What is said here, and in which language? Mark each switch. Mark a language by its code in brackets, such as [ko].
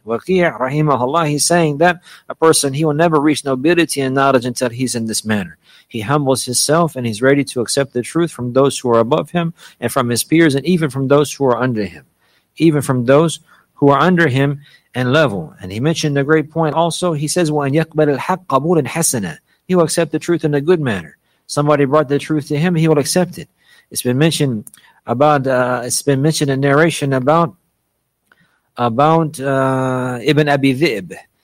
[en] Waqi' rahimahullah, he's saying that a person, he will never reach nobility and knowledge until he's in this manner. He humbles himself and he's ready to accept the truth from those who are above him and from his peers and even from those who are under him. Even from those who are under him and level. And he mentioned a great point also. He says, [ar] وَأَنْ يَقْبَلَ الْحَقَّ قَبُولًا حَسَنًا. [en] He will accept the truth in a good manner. Somebody brought the truth to him, he will accept it. It's been mentioned in narration about Ibn Abi Dhi'b.